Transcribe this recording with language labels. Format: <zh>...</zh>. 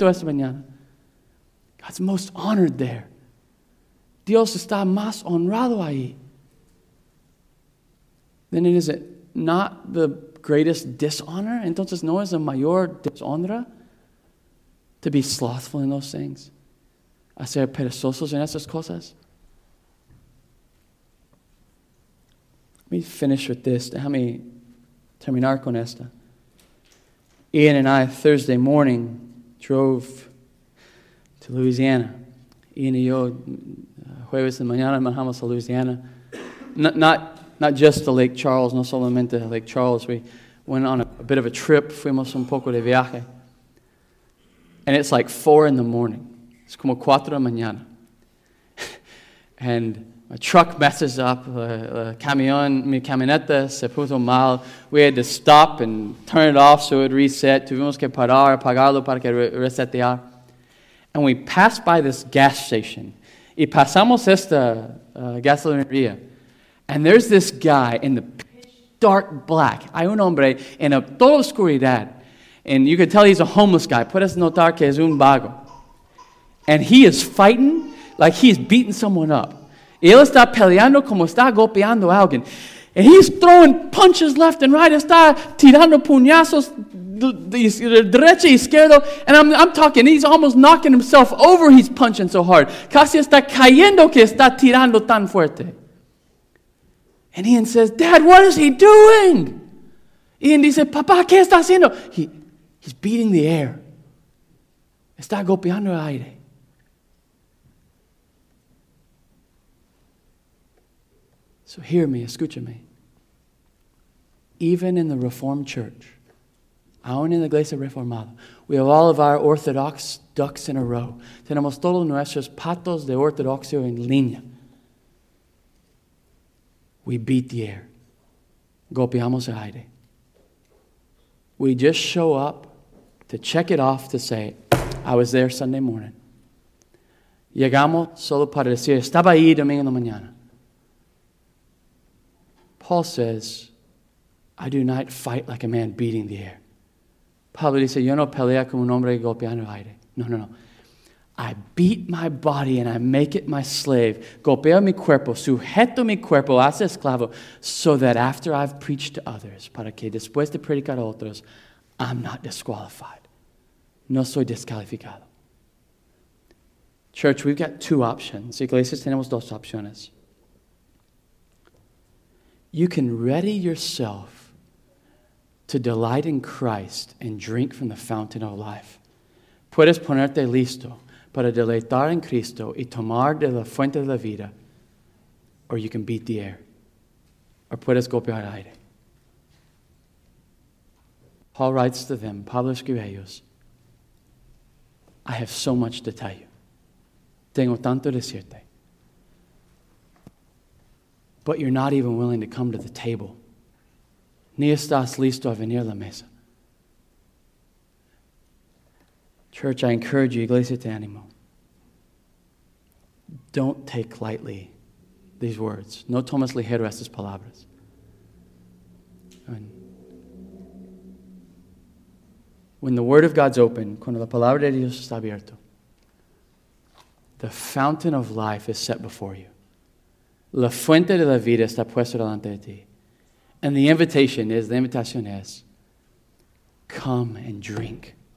<en>God's most honored there.</en> <es>Dios está más honrado ahí.</es> <en>Then is it not the greatest dishonor?</en> <es>Entonces no es la mayor deshonra</es> <en>to be slothful in those things,</en> <es>a ser perezosos en esas cosas.</es> <en>Let me finish with this.</en> <es>Déjame terminar con esta.</es> <en>Ian and I, Thursday morning, drove to Louisiana.</en> <es>Ian y yo, jueves de mañana, manejamos a Louisiana.</es> <en>Not just to Lake Charles,</en> <es>no solamente a Lake Charles.</es> <en>We went on a bit of a trip.</en> <es>Fuimos un poco de viaje.</es> <en>And it's like 4 in the morning. It's</en> <es>como 4 de mañana.</es> <en>And my truck messes up.</en> <es>Mi camioneta se puso mal.</es> <en>We had to stop and turn it off so it would reset.</en> <es>Tuvimos que parar, apagarlo para que resetear.</es> <en>And we passed by this gas station.</en> <es>Y pasamos esta gasolinería.</es> <en>And there's this guy in the dark black.</en> <es>Hay un hombre en toda oscuridad.</es> <en>And you can tell he's a homeless guy.</en> <es>Puedes notar que es un vago.</es> <en>And he is fighting like he's beating someone up.</en> <es>Y él está peleando como está golpeando a alguien.</es> <en>And he's throwing punches left and right.</en> <es>Está tirando puñazos derecha y izquierdo.</es> <en>And I'm talking, he's almost knocking himself over. He's punching so hard.</en> <es>Casi está cayendo que está tirando tan fuerte.</es> <en>And Ian says, Dad, what is he doing?</en> <es>Ian dice, Papá, ¿qué está haciendo?</es> <en>He's beating the air.</en> <es>Está golpeando el aire.</es> <en>So hear me,</en> <es>escúchame.</es> <en>Even in the Reformed Church,</en> <es>aún en la iglesia reformada,</es> <en>we have all of our Orthodox ducks in a row.</en> <es>Tenemos todos nuestros patos de ortodoxia en línea.</es> <en>We beat the air.</en> <es>Golpeamos el aire.</es> <en>We just show up to check it off to say, I was there Sunday morning.</en> <es>Llegamos solo para decir, estaba ahí domingo de mañana.</es> <en>Paul says, I do not fight like a man beating the air.</en> <es>Pablo dice, yo no pelea como un hombre golpeando el aire. No.</es> <en>I beat my body and I make it my slave.</en> <es>Golpeo mi cuerpo, sujeto mi cuerpo, hace esclavo,</es> <en>so that after I've preached to others,</en> <es>para que después de predicar a otros,</es> <en>I'm not disqualified.</en> <es>No soy descalificado.</es> <en>Church, we've got two options.</en> <es>Iglesias, tenemos dos opciones.</es> <en>You can ready yourself to delight in Christ and drink from the fountain of life.</en> <es>Puedes ponerte listo para deleitar en Cristo y tomar de la fuente de la vida,</es> <en>or you can beat the air,</en> <es>or puedes golpear el aire.</es> <en>Paul writes to them,</en> <es>Pablo escribe a ellos,</es> <en>I have so much to tell you.</en> <es>Tengo tanto decirte.</es> <en>But you're not even willing to come to the table.</en> <es>Ni estás listo a venir a la mesa.</es> <en>Church, I encourage you,</en> <es>Iglesia, te animo.</es> <en>Don't take lightly these words.</en> <es>No tomes ligero estas palabras.</es> <en>When the word of God's open,</en> <es>cuando la palabra de Dios está abierto,</es> <en>the fountain of life is set before you.</en> <es>La fuente de la vida está puesta delante de ti.</es> <en>And the invitation is, come and drink.</en>